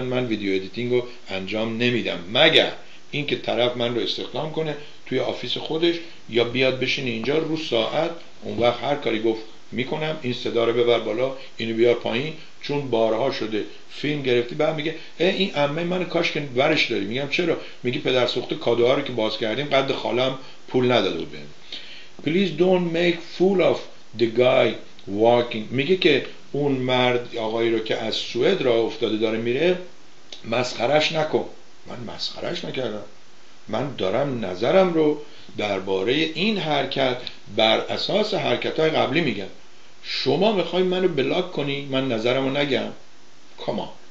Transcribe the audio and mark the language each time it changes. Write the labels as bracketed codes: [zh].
[fa] من ویدیو ادیتینگ رو انجام نمیدم مگر اینکه طرف من رو استخدام کنه توی آفیس خودش یا بیاد بشینه اینجا رو ساعت، اون وقت هر کاری گفت میکنم، این صدا رو ببر بالا، اینو بیار پایین، چون بارها شده فیلم گرفتی بعد میگه این عمه منو کاش که ورش داری. میگم چرا؟ میگه پدر سوخته کادوها رو که باز کردیم قد خالم پول نداده بود بهم. [en] Please don't make fool of the guy walking. [fa] میگه که اون مرد آقایی رو که از سوئد راه افتاده داره میره مسخرش نکن. من مسخرش نکردم، من دارم نظرم رو درباره این حرکت بر اساس حرکت‌های قبلی میگم. شما میخوای منو بلاک کنی من نظرمو نگم؟ کامان.